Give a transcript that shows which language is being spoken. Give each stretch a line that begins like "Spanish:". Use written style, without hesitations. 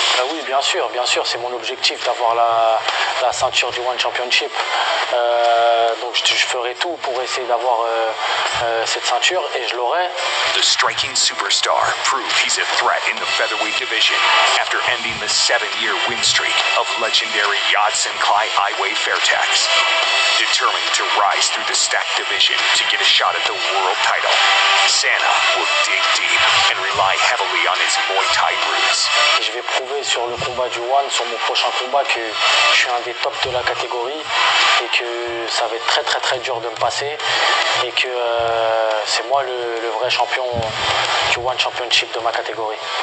French: Oui, bien sûr, c'est mon objectif d'avoir la ceinture du One Championship. Donc je ferai tout pour essayer d'avoir cette ceinture et je l'aurai.
English: The striking superstar proved he's a threat in the featherweight division after ending the seven-year win streak of legendary Yat Sen Kai Ai Wei Fairtex. Determined to rise through the stacked division to get a shot at the world title, Sana will dig deep and rely heavily on his Muay Thai roots.
French: Je vais prouver sur le combat du One, sur mon prochain combat, que je suis un des tops de la catégorie et que ça va être très très très dur de me passer et que c'est moi le vrai champion du One Championship de ma catégorie.